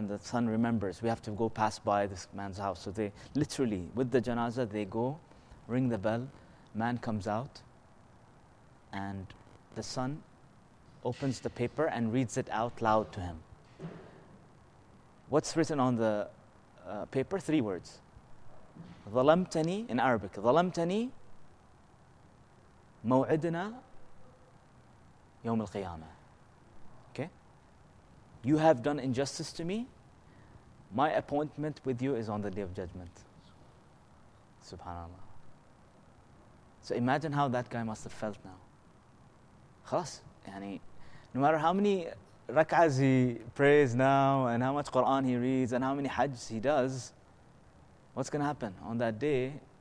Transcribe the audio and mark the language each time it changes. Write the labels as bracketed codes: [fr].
[en] And the son remembers. We have to go pass by this man's house. So they literally, with the janazah, they go, ring the bell. Man comes out. And the son opens the paper and reads it out loud to him. What's written on the paper? Three words. ظلمتني in Arabic. [ar] ظلمتني موعدنا يوم القيامة. [en] Okay? You have done injustice to me. My appointment with you is on the Day of Judgment. SubhanAllah. So imagine how that guy must have felt now. [ar] خلاص. [en] يعني, no matter how many rak'ahs he prays now and how much Quran he reads and how many hajj he does, what's going to happen on that day?